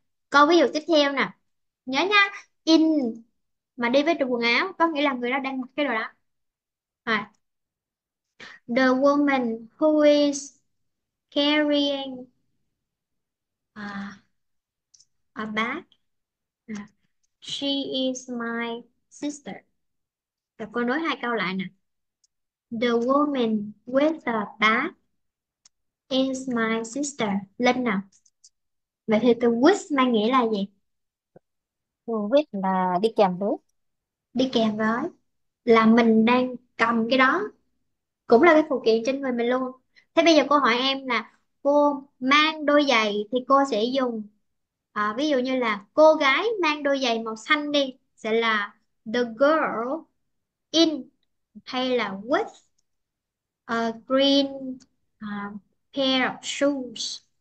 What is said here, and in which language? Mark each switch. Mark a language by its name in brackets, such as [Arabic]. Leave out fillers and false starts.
[Vietnamese] Câu ví dụ tiếp theo nè. Nhớ nhá, in mà đi với đồ quần áo có nghĩa là người đó đang mặc cái đồ đó. Rồi. [English] The woman who is Carrying a bag. She is my sister. [Vietnamese] Được, con nói hai câu lại nè. [English] The woman with the bag is my sister. [Vietnamese] Lên nào. Vậy thì từ with mang nghĩa là gì? With là đi kèm với. Đi kèm với là mình đang cầm cái đó, cũng là cái phụ kiện trên người mình luôn. Thế bây giờ cô hỏi em là cô mang đôi giày thì cô sẽ dùng ví dụ như là cô gái mang đôi giày màu xanh đi, sẽ là [English] the girl in [Vietnamese] hay là [English] with a green pair of shoes?